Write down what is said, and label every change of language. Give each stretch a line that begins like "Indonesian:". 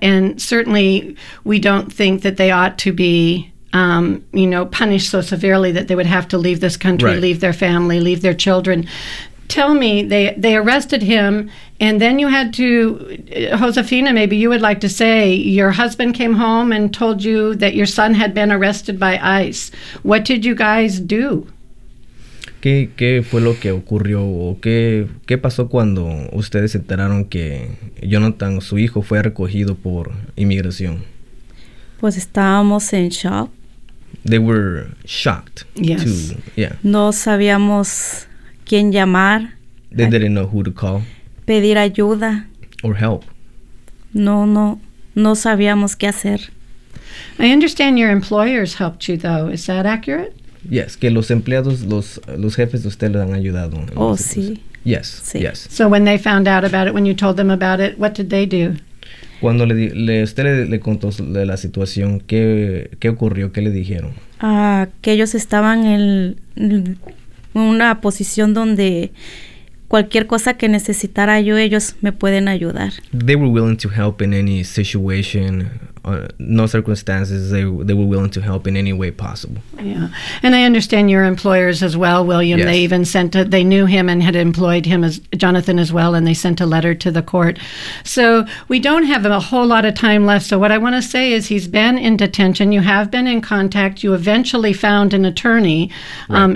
English: And certainly we don't think that they ought to be punished so severely that they would have to leave this country, leave their family, leave their children. Tell me, they arrested him, and then you had to, Josefina, maybe you would like to say, your husband came home and told you that your son had been arrested by ICE. What did you guys do?
Spanish: ¿Qué fue lo que ocurrió? ¿Qué pasó cuando ustedes se enteraron que Jonathan, su hijo, fue recogido por inmigración? Pues estábamos en shock.
English: They were shocked. Yes.
Spanish: No sabíamos quién llamar.
English: They didn't know who to call.
Spanish: Pedir ayuda.
English: Or help.
Spanish: No sabíamos qué hacer.
English: I understand your employers helped you, though. Is that accurate?
Spanish: Yes, que los empleados, los jefes de usted le han ayudado. Oh, sí.
English: Yes, yes. So when they found out about it, when you told them about it, what did they do?
Spanish: Cuando usted le contó de la situación, ¿qué ocurrió? ¿Qué le dijeron? Que ellos estaban en una posición donde cualquier cosa que necesitara yo, ellos me pueden ayudar.
English: They were willing to help in any situation, no circumstances, they were willing to help in any way possible. Yeah, and I understand your employers as well, William. Yes. They even sent, they knew him and had employed him as Jonathan as well, and they sent a letter to the court. So we don't have a whole lot of time left, so what I want to say is he's been in detention, you have been in contact, you eventually found an attorney. Right.